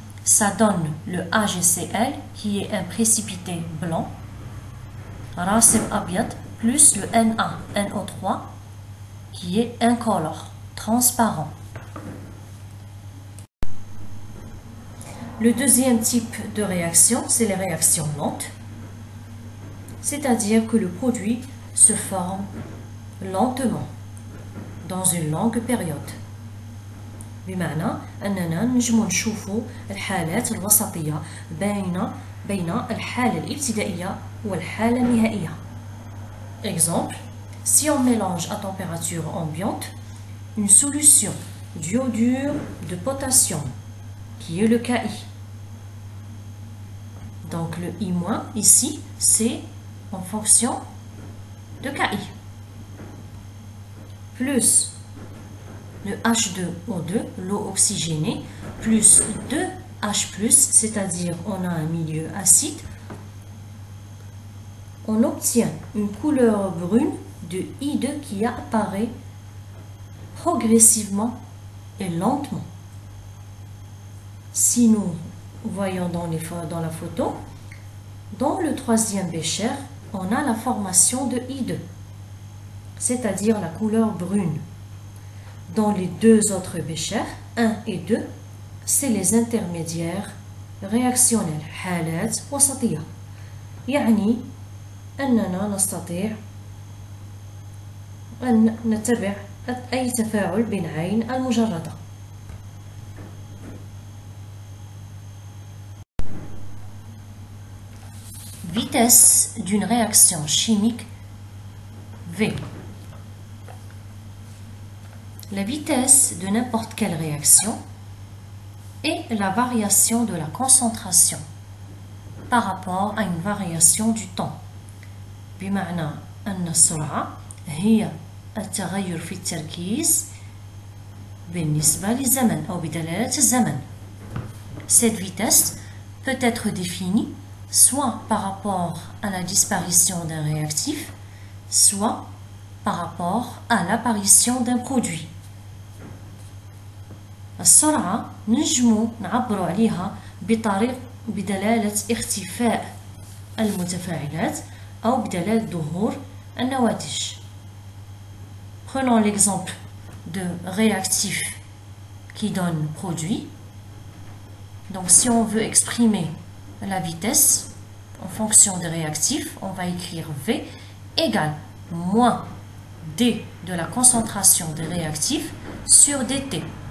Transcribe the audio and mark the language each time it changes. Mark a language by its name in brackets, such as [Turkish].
[French] Ça donne le AgCl qui est un précipité blanc, racème abiote, plus le NaNO3 qui est incolore, transparent. Le deuxième type de réaction, c'est les réactions lentes, c'est-à-dire que le produit se forme lentement, dans une longue période. [Arabic] بمعنى أننا نجم نشوفو الحالات الوسطية بين الحالة الابتدائية والحالة النهائية. [French] Exemple, si on mélange à température ambiante une solution d'iodure de potassium, qui est le Ki. Donc le I- ici, c'est en fonction de Ki. Plus le H2O2, l'eau oxygénée, plus 2H+, c'est-à-dire on a un milieu acide, on obtient une couleur brune de I2 qui apparaît progressivement et lentement. Si nous voyons dans la photo, dans le troisième bécher, on a la formation de I2, c'est-à-dire la couleur brune. Dans les deux autres béchers, 1 et 2, c'est les intermédiaires réactionnels. [Arabic] حالات وسطية. يعني أننا نستطيع أن نتبع أي تفاعل بين عين المجردة. [French] Vitesse d'une réaction chimique V. La vitesse de n'importe quelle réaction est la variation de la concentration par rapport à une variation du temps. [Arabic] بمعنى أن السرعة هي التغير في التركيز بالنسبة للزمن أو بدلالة الزمن. [French] Cette vitesse peut être définie soit par rapport à la disparition d'un réactif, soit par rapport à l'apparition d'un produit. [Arabic] السرعة نجمو نعبرو عليها بطريق بدلالة اختفاء المتفاعلات أو بدلالة ظهور النواتج. [French] Prenons l'exemple de réactif qui donne produit. Donc si on veut exprimer la vitesse en fonction des réactifs, on va écrire V égale moins D de la concentration des réactifs sur DT.